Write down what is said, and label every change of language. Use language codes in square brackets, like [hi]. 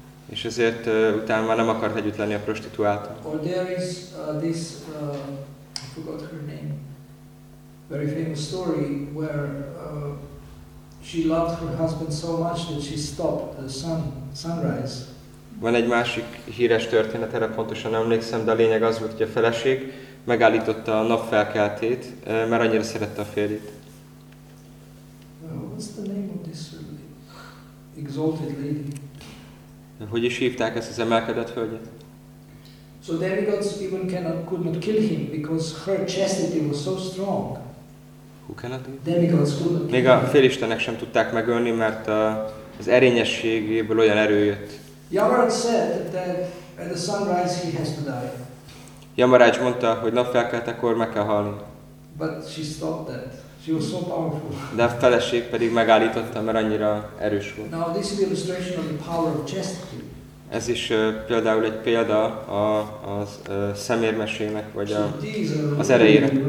[hu] És ezért utána már nem akart együtt lenni a prostituáltal. [en] Or there is this, I forgot her name, very famous story where she loved her husband so much that she stopped the sunrise. [hu] Van egy másik híres történet, erre pontosan emlékszem, de a lényeg az volt, hogy a feleség megállította a napfelkeltét, mert annyira szerette a férjét. [en] What's the name of this exalted lady? [hu] Hogy is hívták ezt az emelkedett hölgyet? [en] So demigods even could not kill him because her chastity was so strong. Who cannot? Demigods could not. [hu] Még a félistenek sem tudták megölni, mert az erényességéből olyan erő jött. [en] Yamaraj said that at the sunrise he has to die. [hu] Yamaraj mondta, hogy napfelkeltekor meg kell halni. [en] But she stopped that. She was so powerful. [hu] De a feleség pedig megállította, mert annyira erős volt. [en] Now this is the illustration of the power of chastity. [hu] Ez is például egy példa az szemérmességnek, vagy az erejére.